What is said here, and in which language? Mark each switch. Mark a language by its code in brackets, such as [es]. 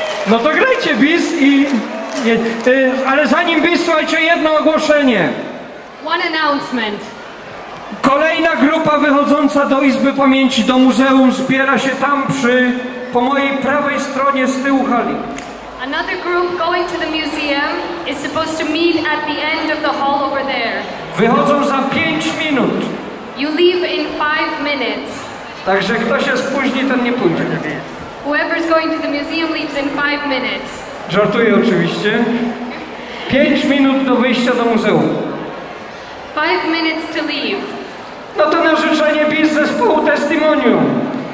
[pl] No to grajcie bis i... Nie, ale zanim bis, słuchajcie, jedno ogłoszenie. [en] One announcement. [pl] Kolejna grupa wychodząca do Izby Pamięci, do muzeum, zbiera się tam przy... po mojej prawej stronie z tyłu hali. [en] Another group going to the museum is supposed to meet at the end of the hall over there. [pl] Wychodzą za 5 minut. [en] You leave in 5 minutes. [pl] Także kto się spóźni, ten nie pójdzie. [en] Whoever's going to the museum leaves in 5 minutes. [pl] Żartuję oczywiście. 5 minut do wyjścia do muzeum. [en] 5 minutes to leave. [pl] No to na życzenie BIS zespołu Testimonium.